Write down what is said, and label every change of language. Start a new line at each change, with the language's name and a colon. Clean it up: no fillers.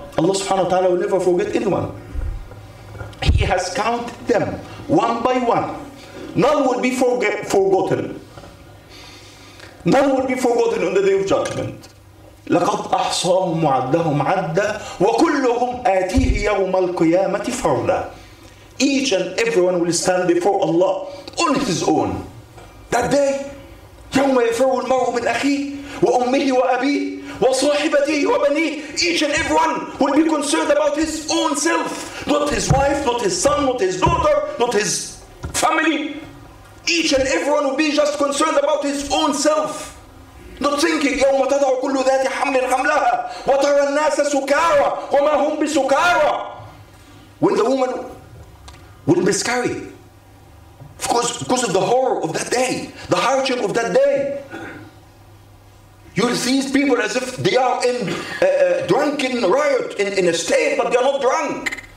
Arabic: الله سبحانه وتعالى
English: will never forget anyone. He has counted them one by one. None will be forgotten. None will be forgotten on the day of judgment.
Arabic: لقد أحصاهم وعدهم عدا وكلهم آتيه يوم القيامة فردا.
English: Each and everyone will stand before Allah on his own. That day,
Arabic: يوم يفر المرء من أخيه وأمه وأبيه وصاحبته وبنيه.
English: Each and everyone will be concerned about his own self. Not his wife, not his son, not his daughter, not his family. Each and everyone will be just concerned about his own self. Not thinking,
Arabic: يوم تضع كل ذات حمل حملها وترى الناس سكارى وما هم بسكارى.
English: When the woman will miscarry, because of the horror of that day, the hardship of that day, you'll see these people as if they are in a drunken riot, in a state, but they are not drunk.